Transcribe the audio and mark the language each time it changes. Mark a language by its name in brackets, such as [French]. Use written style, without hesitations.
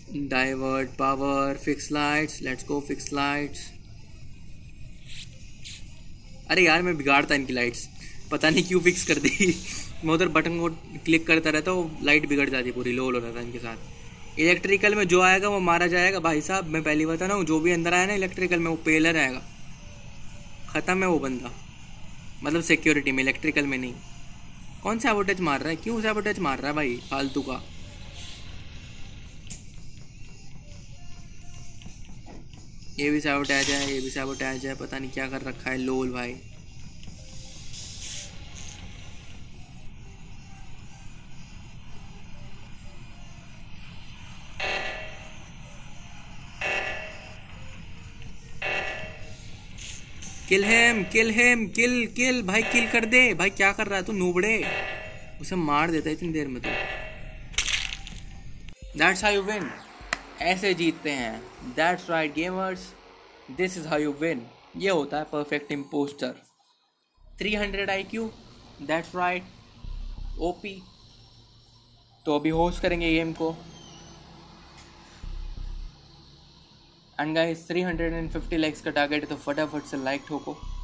[English] Divert power, fix lights, let's go fix lights. [Hindi] अरे यार मैं बिगाड़ता इनकी lights, पता नहीं क्यों fix कर दी। मैं उधर बटन को क्लिक करता रहता वो लाइट बिगड़ जाती पूरी, लोल हो रहा था इनके साथ। इलेक्ट्रिकल में जो आएगा वो मारा जाएगा भाई साहब, मैं पहली बता रहा हूँ। जो भी अंदर आया ना इलेक्ट्रिकल में वो पेलर आएगा, ख़त्म है वो बंदा। मतलब सिक्योरिटी में, इलेक्ट्रिकल में नहीं। कौन सा सैबोटेज मार रहा है, क्यों सैबोटेज मार रहा है भाई फालतू का। ये भी सैबोटेज है, ये भी सैबोटेज है, पता नहीं क्या कर रखा है लोल भाई। [English] kill him, kill him, [Hindi] किल किल भाई, किल कर दे भाई। क्या कर रहा है तू नूबड़े, उसे मार देता है इतनी देर में तो। [English] that's how you win, [Hindi] ऐसे जीतते हैं। [English] That's right gamers, This is how you win. [Hindi] ये होता है perfect impostor. [English] 300 IQ, that's right. OP. [Hindi] तो अभी होस्ट करेंगे गेम को। [English] and guys [Hindi] 350 लाइक्स का टारगेट है, तो फटाफट से लाइक ठोको।